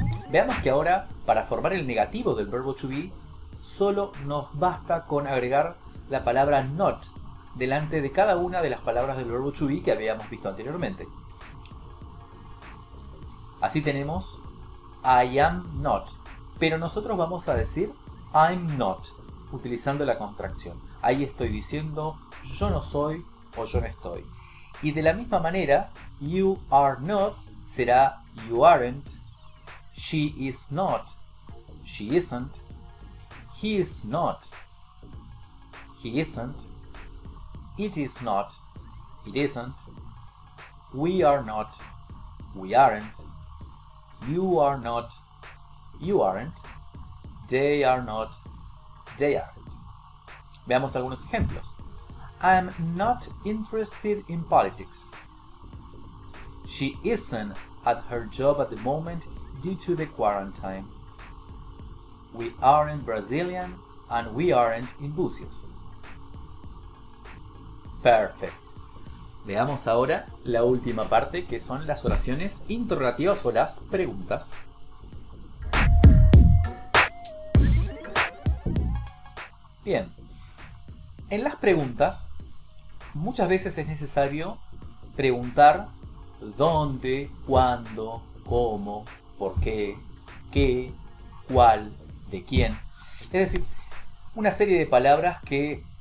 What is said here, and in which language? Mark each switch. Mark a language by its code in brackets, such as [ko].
[es] Veamos que ahora, para formar el negativo del verbo to be, solo nos basta con agregar la palabra not delante de cada una de las palabras del verbo to be que habíamos visto anteriormente. Así tenemos I am not, pero nosotros vamos a decir [en] I'm not, [es] utilizando la contracción. Ahí estoy diciendo yo no soy o yo no estoy. Y de la misma manera, [en] you are not será you aren't, she is not, she isn't, he is not, he isn't, it is not, it isn't, we are not, we aren't, you are not, you aren't, they are not, they aren't. [es] Veamos algunos ejemplos. [en] I am not interested in politics. She isn't at her job at the moment due to the quarantine. We aren't Brazilian and we aren't in Búzios. [es] Perfecto. Veamos ahora la última parte, que son las oraciones interrogativas o las preguntas. Bien. En las preguntas, muchas veces es necesario preguntar dónde, cuándo, cómo, por qué, cuál, de quién. Es decir, una serie de palabras que